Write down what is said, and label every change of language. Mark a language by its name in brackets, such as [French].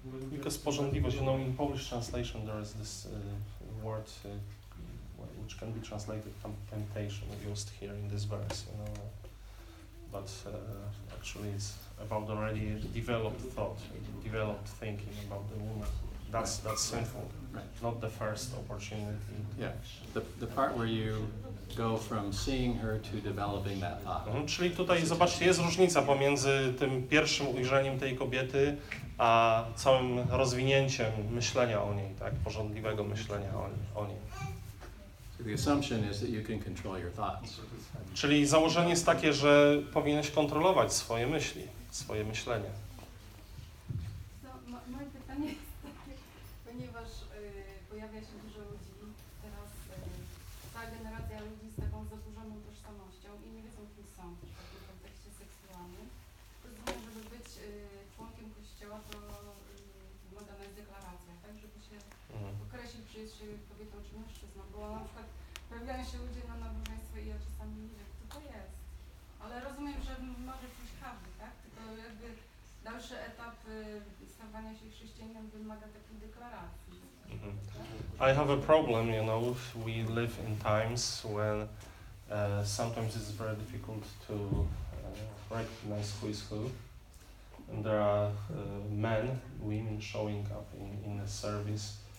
[English] Because pożądliwość, you know, in Polish translation there is this word which can be translated temptation, used here in this verse, you know, but actually it's about already developed thought, developed thinking about the woman. That's sinful, right. Not the first opportunity. Yeah, the part where you go from seeing her to developing that thought. [Polish] No, czyli tutaj zobaczcie, jest różnica pomiędzy tym pierwszym ujrzeniem tej kobiety a całym rozwinięciem myślenia o niej, tak, pożądliwego myślenia o niej. [English] The assumption is that you can control your thoughts. [Polish] Czyli założenie jest takie, że powinieneś kontrolować swoje myśli, swoje myślenie. So, moje pytanie jest takie, ponieważ pojawia się dużo ludzi, teraz cała generacja ludzi z taką zaburzoną tożsamością i nie wiedzą, kim są w kontekście seksualnym. To znaczy, żeby być członkiem kościoła, to wymagana jest deklaracja, tak, żeby się określić, czy jest się kobietą czy mężczyzną, bo na przykład pojawiają się ludzie na nabożeństwo i ja czasami nie wiem, kto to jest. Ale rozumiem, że może coś każdy, tak? Tylko jakby dalszy etap stawania się chrześcijaninem wymaga takiej deklaracji. [English] I have a problem, you know, if we live in times when sometimes it's very difficult to recognize who is who. And there are men, women showing up in a service.